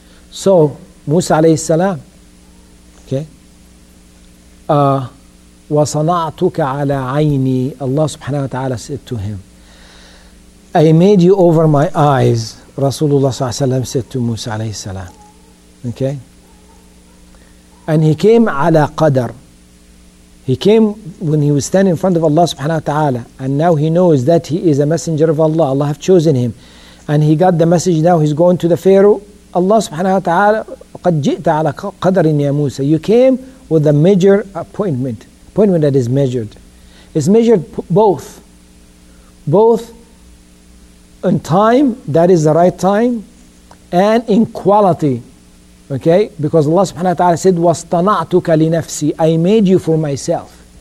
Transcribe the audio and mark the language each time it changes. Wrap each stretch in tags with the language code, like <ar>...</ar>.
<en>So, Musa alayhi salam,</en> <ar>وَصَنَعْتُكَ عَلَىٰ عَيْنِي</ar> <en>Allah subhanahu wa ta'ala said to him, I made you over my eyes, Rasulullah sallallahu alayhi wa sallam said to Musa alayhi salam. Okay? And he came ala qadr. He came when he was standing in front of Allah subhanahu wa ta'ala, and now he knows that he is a messenger of Allah. Allah have chosen him. And he got the message, now he's going to the Pharaoh.</en> <ar>Allah subhanahu wa ta'ala, قَدْ جِئْتَ عَلَىٰ قَدْرٍ يَا مُوسَى.</ar> <en>You came with a major appointment. Appointment that is measured. It's measured both. Both in time, that is the right time, and in quality. Okay? Because Allah subhanahu wa ta'ala said,</en> <ar>وَاصْطَنَعْتُكَ لِنَفْسِي</ar> <en>I made you for myself.</en>